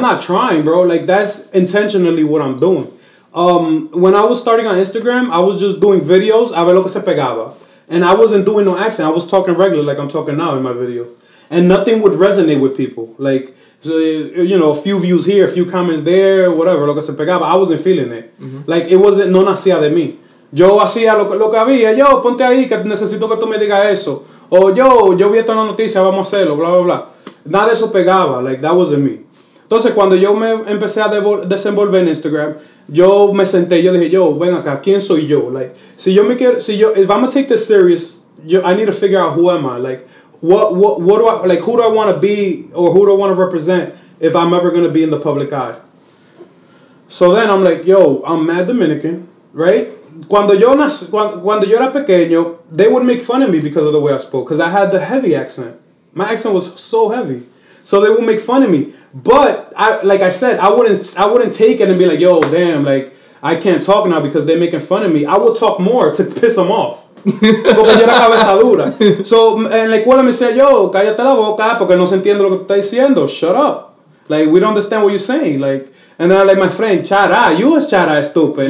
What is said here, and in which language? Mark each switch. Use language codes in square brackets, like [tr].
[en] Not trying, bro. Like, that's intentionally what I'm doing. When I was starting on Instagram, I was just doing videos, [es] a ver lo que se pegaba. [en] And I wasn't doing no accent. I was talking regular like I'm talking now in my video. And nothing would resonate with people. Like, so, you know, a few views here, a few comments there, whatever, [es] lo que se pegaba. [en] I wasn't feeling it. Mm-hmm. Like, it wasn't, [es] no nacía de mí. Yo hacía lo que había, yo, ponte ahí, que necesito que tú me digas eso. O yo vi esto en la noticia, vamos a hacerlo, bla, bla, bla. Nada de eso pegaba, like, [en] that wasn't me. [es] Entonces, cuando yo me empecé a desenvolver en Instagram, yo me senté, yo dije, yo, ven acá, ¿quién soy yo? [en] Like, [es] si yo me quiero, si yo, [en] if I'm gonna take this serious, I need to figure out who am I. Like, what do I, like, who do I want to be, or who do I want to represent if I'm ever gonna be in the public eye? So then I'm like, yo, I'm mad Dominican, right? [es] Cuando yo era pequeño, [en] they would make fun of me because of the way I spoke, because I had the heavy accent. My accent was so heavy. So they would make fun of me. But, I wouldn't take it and be like, yo, damn, like, I can't talk now because they're making fun of me. I would talk more to piss them off. [es] Porque yo era cabeza dura. So, en la escuela me decía, yo, cállate la boca porque no se entiende lo que estás diciendo. [en] Shut up. Like, we don't understand what you're saying. Like, and then I'm like, my friend, chara, you are chara, stupid.